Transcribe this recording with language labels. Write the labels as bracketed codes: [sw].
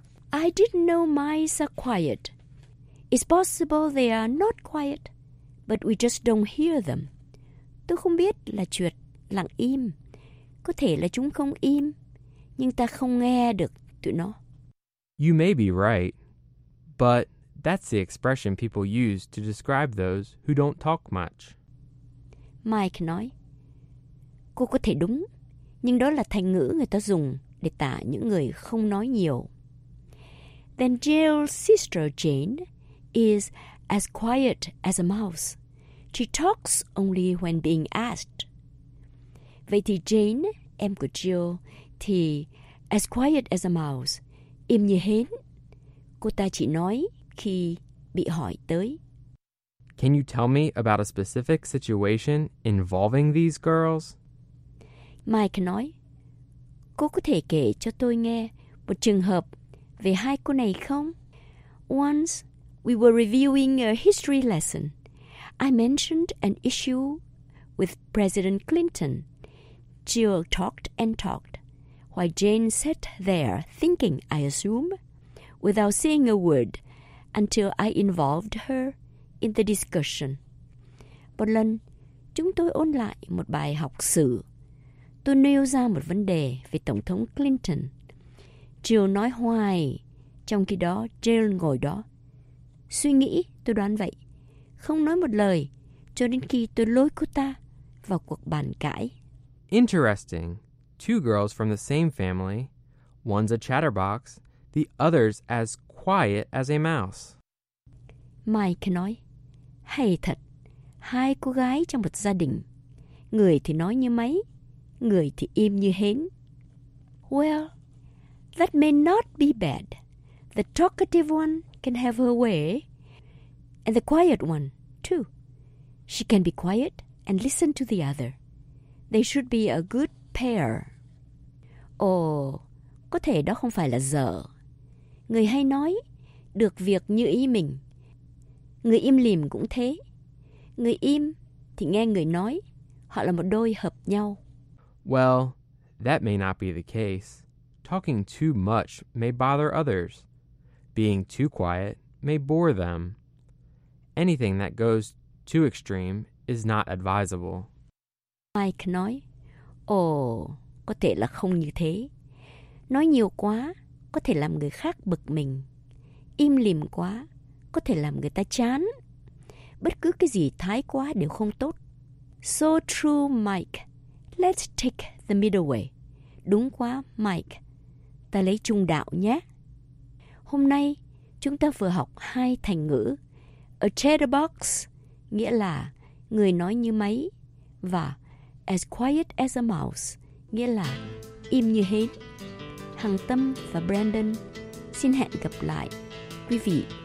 [en] I didn't know mice are quiet. It's possible they are not quiet, but we just don't hear them. [vi] Tôi không biết là chuột lặng im. Có thể là chúng không im, nhưng ta không nghe được tụi nó. [en] You may be right, but that's the expression people use to describe those who don't talk much. [vi] Mike nói, cô có thể đúng, nhưng đó là thành ngữ người ta dùng để tả những người không nói nhiều. [en] Then Jill's sister Jane is as quiet as a mouse. She talks only when being asked. [vi] Vậy thì Jane, em của Jill, thì [en] as quiet as a mouse, [vi] im như hến. Cô ta chỉ nói khi bị hỏi tới. [en] Can you tell me about a specific situation involving these girls? [vi] Mike nói, cô có thể kể cho tôi nghe một trường hợp về hai cô này không? [en] Once, we were reviewing a history lesson. I mentioned an issue with President Clinton. Jill talked and talked, while Jane sat there thinking, I assume, without saying a word, until I involved her in the discussion. [vi] Một lần, chúng tôi ôn lại một bài học sử. Tôi nêu ra một vấn đề về Tổng thống Clinton. Jill nói hoài, trong khi đó Jill ngồi đó. Suy nghĩ, tôi đoán vậy. Không nói một lời, cho đến khi tôi lôi cô ta vào cuộc bàn cãi. [en] Interesting. Two girls from the same family. One's a chatterbox, the other's as quiet as a mouse. [vi] Mike nói, hay thật, hai cô gái trong một gia đình. Người thì nói như máy, người thì im như hến. [en] Well, that may not be bad. The talkative one can have her way. And the quiet one, too. She can be quiet and listen to the other. They should be a good pair. [vi] Oh, có thể đó không phải là dở. Người hay nói, được việc như ý mình. Người im lìm cũng thế. Người im thì nghe người nói. Họ là một đôi hợp nhau. [en] Well, that may not be the case. Talking too much may bother others. Being too quiet may bore them. Anything that goes too extreme is not advisable. [vi] Mike nói, ồ, có thể là không như thế. Nói nhiều quá có thể làm người khác bực mình. Im lìm quá có thể làm người ta chán. Bất cứ cái gì thái quá đều không tốt. [en] So true, Mike. Let's take the middle way. [vi] Đúng quá, Mike. Ta lấy trung đạo nhé. Hôm nay, chúng ta vừa học hai thành ngữ. [en] A chatterbox, [vi] nghĩa là người nói như máy. Và [en] as quiet as a mouse, [vi] nghĩa là im như hến. Hằng Tâm và Brandon xin hẹn gặp lại quý vị